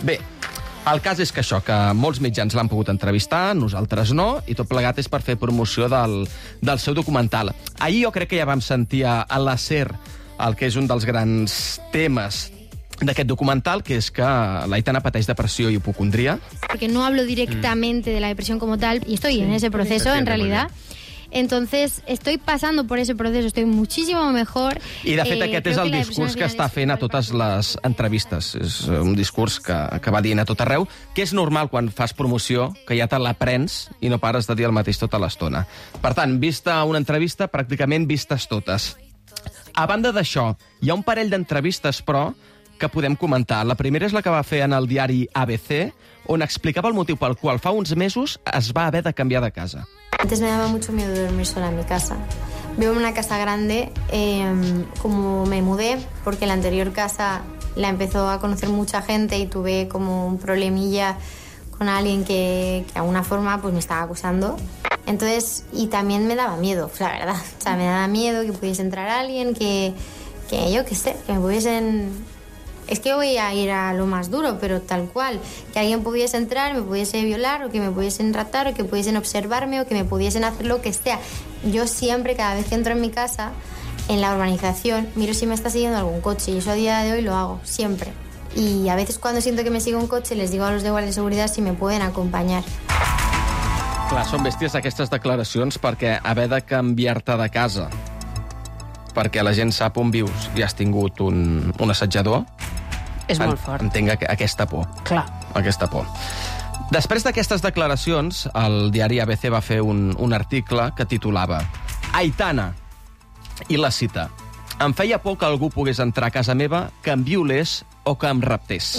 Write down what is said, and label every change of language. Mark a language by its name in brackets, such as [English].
[Catalan] Bé, el cas és que això, que molts mitjans l'han pogut entrevistar, nosaltres no, i tot plegat és per fer promoció del seu documental. Ahir jo crec que ja vam sentir a La SER el que és un dels grans temes d'aquest documental, que és que l'Aitana pateix depressió i hipocondria. [Spanish] Porque no hablo directamente de la depresión como tal, y estoy en ese proceso, en realidad. Entonces, estoy pasando por ese proceso, estoy muchísimo mejor. [Catalan] I, de fet, aquest és el discurs que està fent a totes les entrevistes. És un discurs que va dient a tot arreu, que és normal quan fas promoció, que ja te l'aprens i no pares de dir el mateix tota l'estona. Per tant, vista una entrevista, pràcticament vistes totes. A banda d'això, hi ha un parell d'entrevistes, però... que podem comentar. La primera és la que va fer en el diari ABC, on explicava el motiu pel qual fa uns mesos es va haver de canviar de casa. [Spanish] Antes me daba mucho miedo dormir sola en mi casa. Vivo en una casa grande, como me mudé, porque la anterior casa la empezó a conocer mucha gente y tuve como un problemilla con alguien que de alguna forma pues me estaba acusando. Entonces, y también me daba miedo, la verdad. O sea, me daba miedo que pudiese entrar alguien, que yo qué sé, que me pudiesen... Es que voy a ir a lo más duro, pero tal cual. Que alguien pudiese entrar, me pudiese violar, o que me pudiesen raptar, o que pudiesen observarme, o que me pudiesen hacer lo que sea. Yo siempre, cada vez que entro en mi casa, en la urbanización, miro si me está siguiendo algún coche. Y eso a día de hoy lo hago, siempre. Y a veces cuando siento que me sigue un coche, les digo a los de guardia de seguridad si me pueden acompañar. [Catalan] Clar, són bèsties aquestes declaracions perquè haver de canviar-te de casa... perquè la gent sap on vius i has tingut un assetjador... És molt fort. Entenc aquesta por. Clar. Aquesta por. Després d'aquestes declaracions, el diari ABC va fer un article que titulava Aitana, i la cita, em feia por que algú pogués entrar a casa meva, que em violés o que em raptés.